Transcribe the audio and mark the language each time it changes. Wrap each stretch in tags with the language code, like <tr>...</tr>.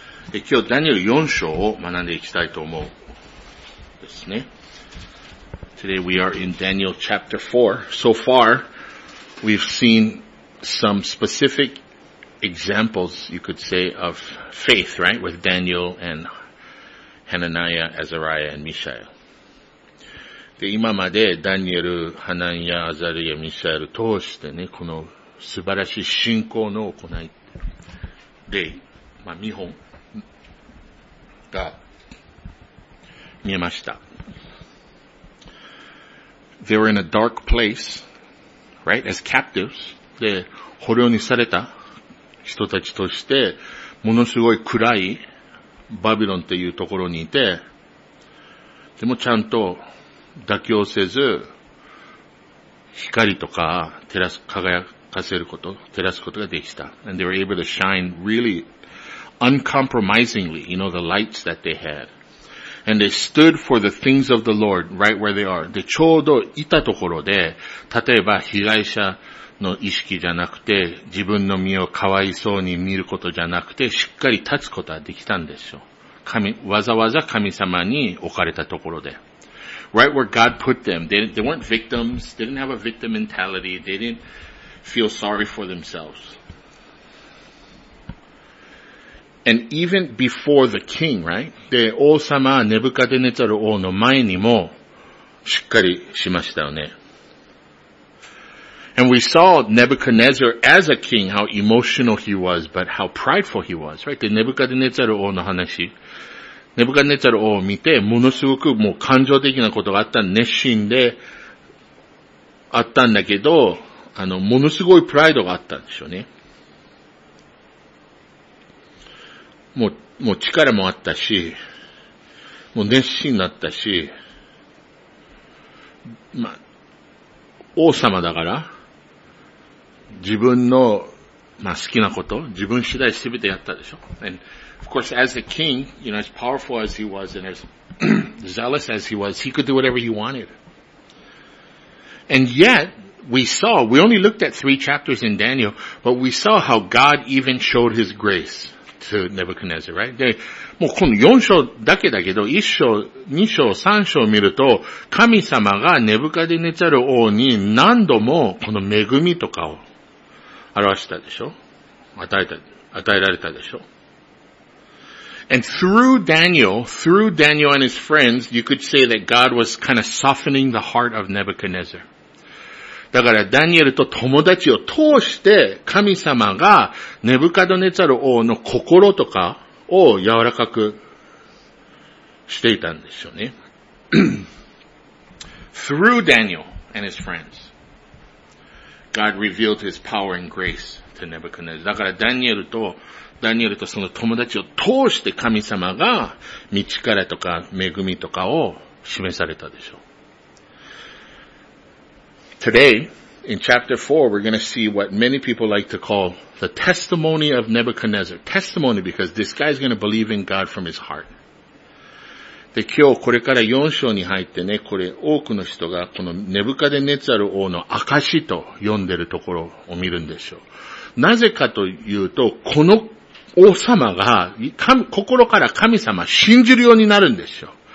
<ja>で今日ダニエル4章を学んでいきたいと思うですね。</ja> <en>Today we are in Daniel chapter 4. So far, we've seen some specific examples, you could say, of faith, right? With Daniel and Hananiah, Azariah, and Mishael.</en> <ja>で、今までダニエル、ハナニア、アザリア、ミシャエル通してね、この素晴らしい信仰の行いで、まあ、見本が見えました。</ja> <en>They were in a dark place, right, as captives.</en> <ja>で、捕虜にされた人たちとして、ものすごい暗いバビロンっていうところにいて、でもちゃんと妥協せず、光とか照らす、輝かせること、照らすことができた。</ja> <en>And they were able to shine really uncompromisingly, you know, the lights that they had. And they stood for the things of the Lord right where they are. で、</en> <ja>ちょうどいたところで、例えば被害者の意識じゃなくて、自分の身をかわいそうに見ることじゃなくて、しっかり立つことができたんですよ。神、わざわざ神様に置かれたところで。</ja> <en>Right where God put them. They weren't victims. They didn't have a victim mentality. They didn't feel sorry for themselves. And even before the king, right?</en> <ja>で、王様、ネブカデネザル王の前にも、しっかりしましたよね。</ja> <en>And we saw Nebuchadnezzar as a king, how emotional he was, but how prideful he was, right?</en> <ja>で、ネブカデネザル王の話。ネブカデネザル王を見て、ものすごくもう感情的なことがあった、熱心で、あったんだけど、ものすごいプライドがあったんでしょうね。もう力もあったし、もう熱心だったし、まあ、王様だから、自分の、まあ好きなこと、自分次第全てやったでしょ。</ja> <en>And of course, as a king, you know, as powerful as he was and as zealous as he was, he could do whatever he wanted. And yet, we only looked at three chapters in Daniel, but we saw how God even showed his grace. To Nebuchadnezzar, right?</en> <ja>で、もうこの4章だけど、1章、2章、3章を見ると、神様がネブカデネザル王に何度もこの恵みとかを表したでしょ？与えられたでしょ？</ja> <en>And through Daniel and his friends, you could say that God was kind of softening the heart of Nebuchadnezzar.</en> <ja>だからダニエルと友達を通して神様がネブカドネザル王の心とかを柔らかくしていたんですよね。</ja> <en>Through Daniel and his friends, God revealed his power and grace to Nebuchadnezzar.</en> <ja>だからダニエルとその友達を通して神様が道からとか恵みとかを示されたでしょう。</ja> <en>Today, in chapter 4, we're going to see what many people like to call the testimony of Nebuchadnezzar. Testimony, because this guy is going to believe in God from his heart.</en> <ja>で、今日これから4章に入ってね、これ多くの人がこのネブカデネザル王の証と呼んでるところを見るんでしょう。なぜかというと、この王様が心から神様を信じるようになるんでしょう。</ja>